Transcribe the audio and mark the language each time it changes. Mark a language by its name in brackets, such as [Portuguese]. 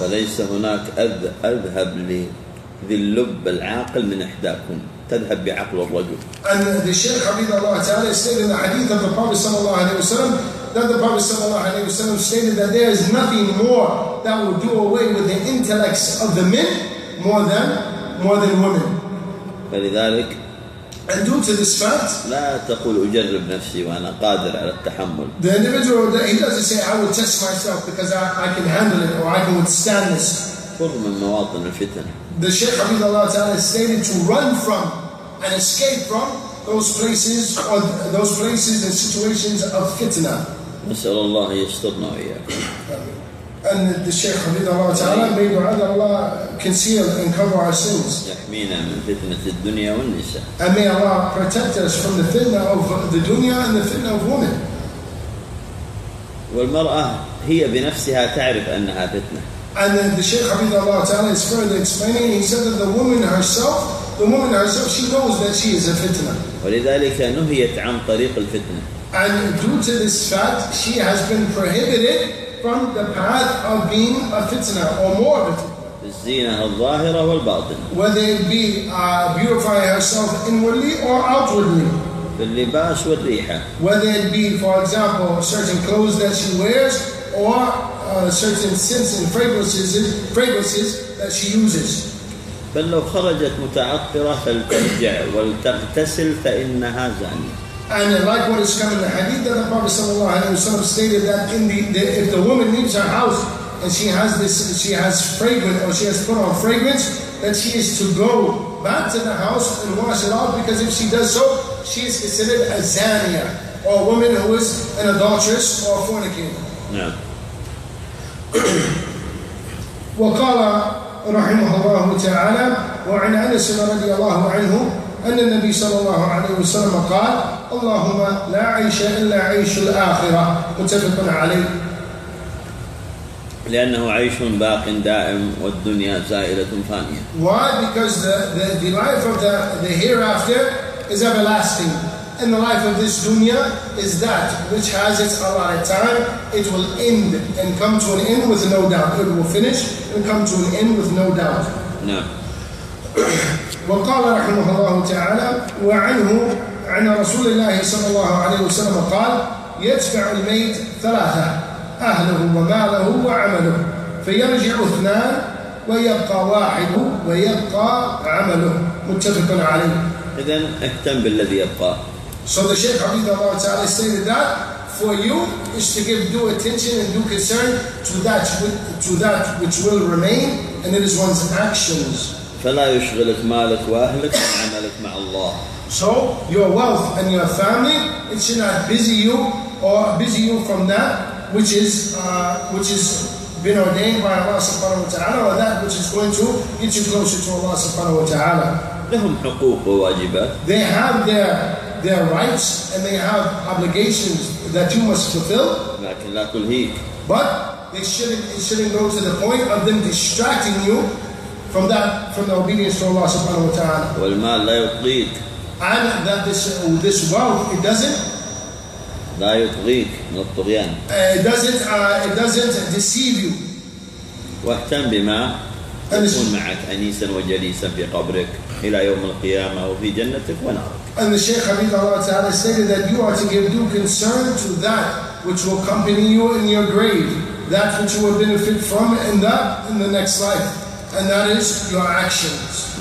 [Arabic] فليس هناك أذهب لذي اللب العاقل من إحداكم. تذهب بعقل الرجل. [English] And the Shaykh Habib Allah Ta'ala stated in the hadith of the Prophet sallallahu alayhi wa sallam that the Prophet sallallahu alayhi wa sallam stated that there is nothing more that will do away with the intellects of the men more than women. [Arabic] فلذلك. [English] And due to this fact. [Arabic] لا تقول أجرب نفسي وأنا قادر على التحمل. [English] The individual, he doesn't say I will test myself because I can handle it or I can withstand this. [Arabic] خذ من مواطن الفتن. [English] The Shaykh Habib Allah Ta'ala stated to run from and escape from those places and situations of fitna. [Arabic] نسأل الله يسترنا وإياكم. [English] And the Shaykh Habib Allah Ta'ala, may dua that Allah conceal and cover our sins. [Arabic] يحمينا من فتنة الدنيا والنساء. [English] And may Allah protect us from the fitna of the dunya and the fitna of women. [Arabic] والمرأة هي بنفسها تعرف أنها فتنة. [English] And then the Shaykh Habib Allah Ta'ala is further explaining, he said that the woman herself, she knows that she is a fitna. [Arabic] ولذلك نهيت عن طريق الفتنة. [English] And due to this fact, she has been prohibited from the path of being a fitna or more of a fitna. [Arabic] الزينة الظاهرة والباطنة. [English] Whether it be beautify herself inwardly or outwardly. [Arabic] باللباس والريحة. [English] Whether it be, for example, certain clothes that she wears or certain scents and fragrances that she uses. [Arabic] بل لو خرجت متعطرة فلترجع ولتغتسل فإنها زانية. [English] And like what is coming in the hadith that the Prophet sallallahu alaihi wasallam stated that if the woman leaves her house and she has this, she has fragrance or she has put on fragrance, that she is to go back to the house and wash it off, because if she does so, she is considered a zaniya or a woman who is an adulteress or a fornicator. Yeah. [Arabic] وقال رحمه الله تعالى وعن أنس رضي الله عنه أن النبي صلى الله عليه وسلم قال اللهم لا عيش إلا عيش الآخرة. متفق عليه. لأنه عيش باق دائم والدنيا زائلة فانية. [English] Why? Because the life of the hereafter is everlasting in the life of this dunya is that which has its allotted time. It will end and come to an end with no doubt. It will finish and come to an end with no doubt. No. [Arabic] وقال رحمه الله تعالى وعنه عن رسول الله صلى الله عليه وسلم قال يدفع الميت ثلاثة أهله وماله وعمله فيرجع اثنان ويبقى واحد ويبقى عمله متفق عليه. إذن اهتم بالذي يبقى. [English] So the Shaykh Hafidh Allah Ta'ala stated that for you is to give due attention and due concern to that which will remain, and it is one's actions. [Arabic] فلا يشغلك مالك وأهلك وعملك مع الله. [English] So your wealth and your family, it should not busy you or busy you from that which is been ordained by Allah Subhanahu wa Taala, or that which is going to get you closer to Allah Subhanahu wa Taala. [Arabic] لهم حقوق وواجبات. [English] They have their rights and they have obligations that you must fulfill. [Arabic] لكن لا تلهيك. [English] But it shouldn't go to the point of them distracting you from the obedience to Allah Subhanahu wa Taala. [Arabic] والمال لا يطغيك. [English] And that this wealth, it doesn't. [Arabic] لا يطغيك من الطغيان. [English] It doesn't deceive you. [Arabic] واهتم بما يكون معك أنيسا وجليسا في قبرك إلى يوم القيامة وفي جنتك ونارك. [English] And the Shaykh Hafidh Allah Ta'ala stated that you are to give due concern to that which will accompany you in your grave, that which you will benefit from in the next life, and that is your actions.